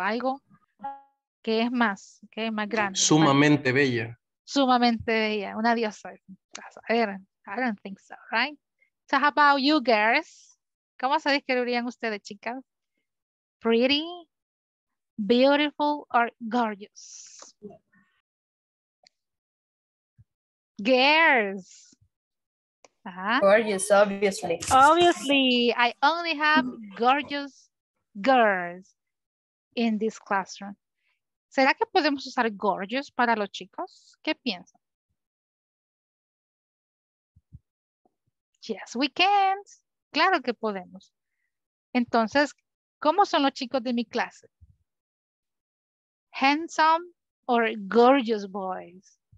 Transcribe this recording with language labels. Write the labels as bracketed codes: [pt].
[es] Algo que es más, que es más grande. Sumamente más, bella. Sumamente bella. Una diosa. A ver, [en] I don't think so, right? So how about you girls? [es] ¿Cómo se describirían ustedes, chicas? [en] Pretty, beautiful, or gorgeous? Girls. Gorgeous, obviously. Obviously, I only have gorgeous girls in this classroom. [es] ¿Será que podemos usar gorgeous para los chicos? ¿Qué piensan? [en] Yes, we can. [es] Claro que podemos. Entonces, ¿cómo son los chicos de mi clase? [en] Handsome or gorgeous boys?